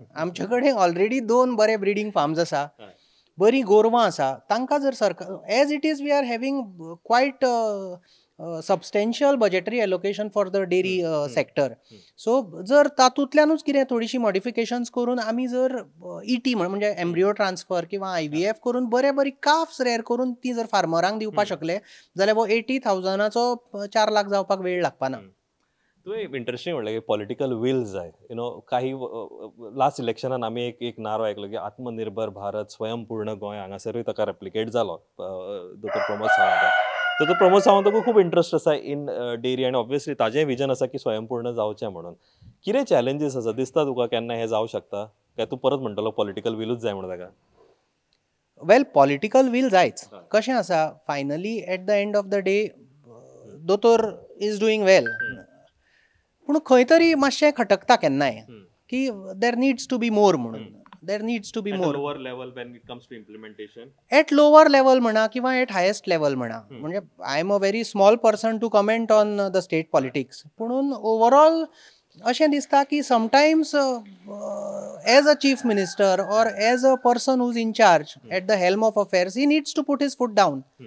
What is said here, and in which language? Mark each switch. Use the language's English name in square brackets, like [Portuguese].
[Konkani] आमच्याकडे ऑलरेडी 2 बरे breeding farms असा, बरी गोरवां असा, तांकां जर सरकार [English] As it is we are having quite substantial budgetary allocation for the dairy sector. [Konkani] सो जर तातूंतल्यानूच कितें थोडीशी मॉडिफिकेशन्स करून आमी जर ईटी म्हणजे एम्ब्रियो ट्रान्सफर किंवा IVF करून बरे बरी काफ्स रेअर करून ती जर फार्मरांक दिवपाक शकले जाल्यार वो 80,000 4 लाख जावपाक वेळ लागपा ना. तुवें इंटरेस्टींग म्हणलें की पॉलिटिकल वील जाय. यु नो काही लास्ट इलेक्शनान आमी एक नारो आयकलो की आत्मनिर्भर भारत स्वयंपूर्ण गोंय, हांगासरूय ताका रेप्लिकेट जालो दोतोर प्रमोद सावंत. तर प्रमोद सावंतकूय खूब इंट्रस्ट आसा इन डेरी आनी ऑब्वियसली ताजेंय विजन आसा की स्वयंपूर्ण जावचें म्हणून. कितें चॅलेंजीस आसा दिसता तुका केन्ना हे जावं शकता काय तूं परत म्हणटलो पॉलिटिकल विलूच जाय म्हणून ताका? वेल पॉलिटिकल वील जायच. कशें आसा, finally at the end of the day दोतोर इज डुईंग वेल, पूण खंय तरी मातशें खटकता केन्नाय की [English] there needs to be more [Konkani] म्हणून. [English] There needs to be more lower level when it comes to implementation, at lower level म्हणा किंवा at highest level म्हणा. म्हणजे I am a very small person to comment on the state politics, [Konkani] पूण ओवरऑल असें दिसता की [English] Sometimes as a chief minister or as a person who's in charge at the helm of affairs, he needs to put his foot down.